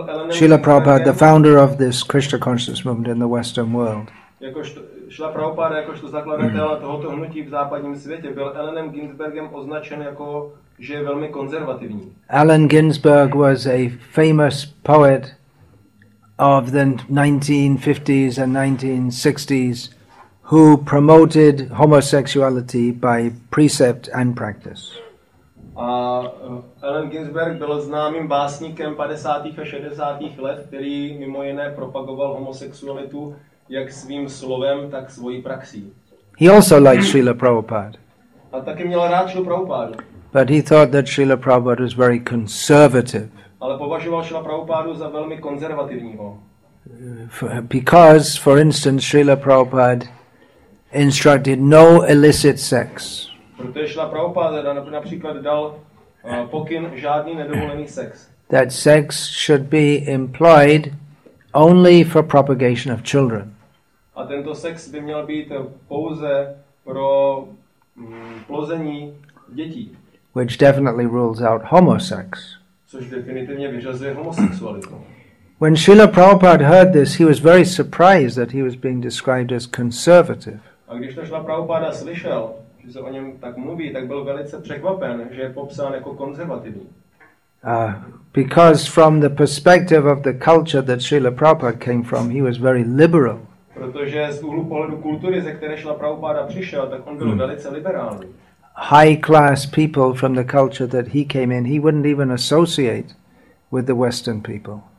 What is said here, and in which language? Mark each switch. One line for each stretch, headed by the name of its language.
English: Srila Prabhupada, the founder of this Krishna consciousness movement in the Western world.
Czech: Srila Prabhupada jakožto zakladatel tohoto hnutí v západním světě byl Allenem Ginsbergem označen jako, že je velmi konzervativní.
English: Allen Ginsberg was a famous poet of the 1950s and 1960s. Who promoted homosexuality by precept and practice.
Czech: A Allen Ginsberg byl známým básníkem 50. a 60. let, který mimo jiné propagoval homosexualitu jak svým slovem, tak svojí praxí.
English: He also liked Srila Prabhupada.
Czech: A taky měl rád Srila Prabhupada.
English: But he thought that Srila Prabhupada was very conservative.
Czech: Ale považoval Srila Prabhupada za velmi konzervativního.
English: Because, for instance, Srila Prabhupada instructed no illicit sex.
Czech: Protože Srila Prabhupada například dal pokyn žádný nedovolený sex.
English: That sex should be employed only for propagation of children.
Czech: A tento sex by měl být pouze pro plození dětí.
English: Which definitely rules out homosex.
Czech: Což definitivně vyřazuje homosexualitu.
English: When Srila Prabhupada heard this, he was very surprised that he was being described as conservative.
Czech: A když to Srila Prabhupada slyšel, že se o něm tak mluví, tak byl velice překvapen, že je popsán jako konzervativní.
English: Because from the perspective of the culture that Srila Prabhupada came from, he was very liberal.
Czech: Protože z úhlu pohledu kultury, ze které Srila Prabhupada přišel, tak on byl velice liberální.
English: High class people from the culture that he came in, he wouldn't even associate with the Western people.